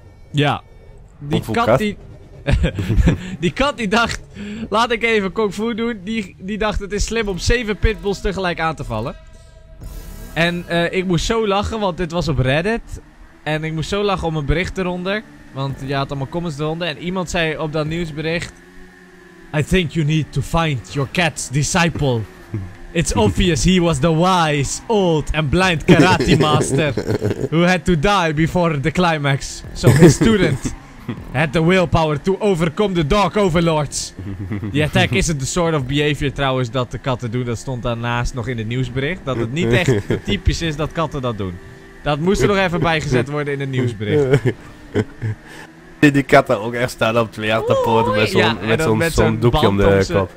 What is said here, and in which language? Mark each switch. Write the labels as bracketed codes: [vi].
[nl] Ja. Die kat die... die kat die dacht... Laat ik even kung fu doen. Die dacht het is slim om 7 pitbulls tegelijk aan te vallen. En ik moest zo lachen, want dit was op Reddit. En ik moest zo lachen om een bericht eronder. Want je had allemaal comments eronder. En iemand zei op dat nieuwsbericht... [en] I think you need to find your cat's disciple. It's obvious he was the wise, old and blind karate master. Who had to die before the climax. So his student had the willpower to overcome the dark overlords. The attack isn't the sort of behavior [nl] trouwens dat de katten doen. Dat stond daarnaast nog in het nieuwsbericht. Dat het niet echt typisch is dat katten dat doen. Dat moest er nog even bijgezet worden in het nieuwsbericht. Die katten ook echt staan op twee achterpoorten met zo'n, ja, met zo'n doekje om de kop.